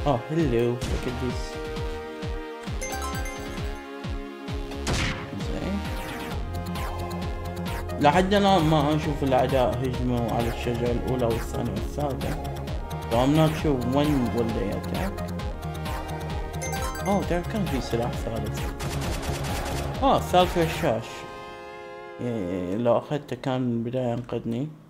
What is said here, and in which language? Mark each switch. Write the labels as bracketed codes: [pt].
[en] Hello look at this. [ar] زين لحد الان ما اشوف الاعداء هجموا على الشجرة الاولى والثانية والثالثة. [en] So I'm not sure when will they attack. [ar] اوه ترى كان في سلاح ثالث. ثالث رشاش لو اخذته كان بداية ينقذني.